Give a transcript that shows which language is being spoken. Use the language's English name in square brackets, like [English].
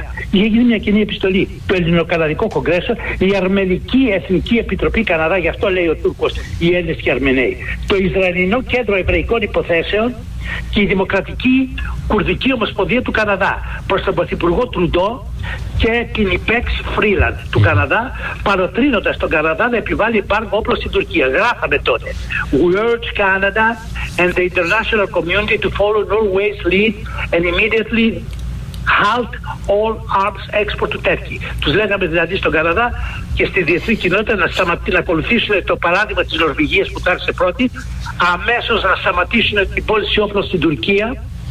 [Greek] Είχε γίνει μια κοινή επιστολή. Το Ελληνοκαναδικό Κογκρέσο, η Αρμενική Εθνική Επιτροπή Καναδά, γι' αυτό λέει ο Τούρκος, οι Έλληνες και οι Αρμενέοι. Το Ισραηλινό Κέντρο Εβραϊκών Υποθέσεων και η Δημοκρατική Κουρδική Ομοσπονδία του Καναδά προς τον Πρωθυπουργό Τρουντό και την ΙΠΕΞ Φρίλαντ του Καναδά, παροτρύνοντας τον Καναδά να επιβάλλει εμπάργκο όπλων στην Τουρκία. Γράφαμε τότε. [English] We urge Canada and the international community to follow Norway's lead and immediately halt all arms export to Turkey. [Greek] Τους λέγαμε δηλαδή στον Καναδά και στη διεθνή κοινότητα να σταματήσουν, να ακολουθήσουν το παράδειγμα της Νορβηγίας που το άρχισε πρώτη, αμέσως να σταματήσουν την πώληση όπλων στην Τουρκία.